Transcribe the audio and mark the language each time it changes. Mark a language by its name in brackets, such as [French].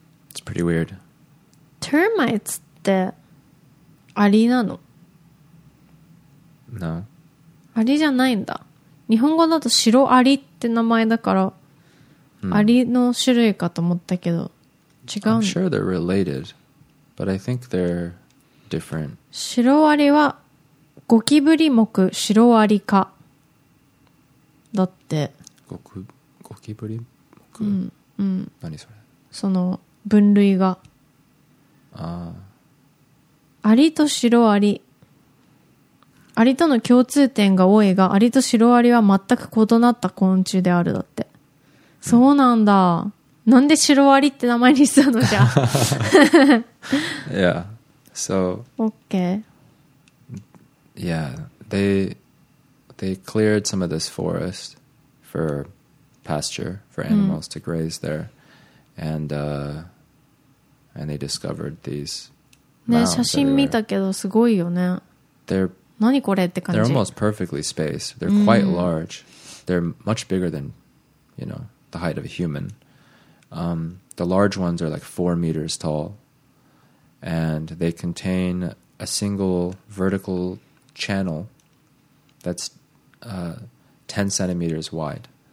[English] It's pretty weird. [Japanese] Termites ってアリなの？ [English] No. [Japanese] アリじゃないんだ。日本語だとシロアリって名前だから、Hmm. アリの種類かと思ったけど、違う。 [English] I'm sure they're related, but I think they're different. [Japanese] シロアリはゴキブリ目シロアリ科だって。ゴキブリ目。うんうん。何それ？その分類が。ああ。アリとシロアリ。アリとの共通点が多いが、アリとシロアリは全く異なった昆虫であるだって。そうなんだ。Hmm. なんでシロアリって名前にしたのじゃ。 [English] Yeah, so. Okay. Yeah, they cleared some of this forest for pasture for animals、mm. to graze there, and they discovered these. [Japanese] ね、写真見たけどすごいよね。 [English] They're [Japanese] 何これって感じ。 [English] They're almost perfectly spaced. They're quite、mm. large. They're much bigger than, you know, the height of a human. The large ones are like 4 meters tall, and they contain a single vertical channel that's 10 centimeters wide.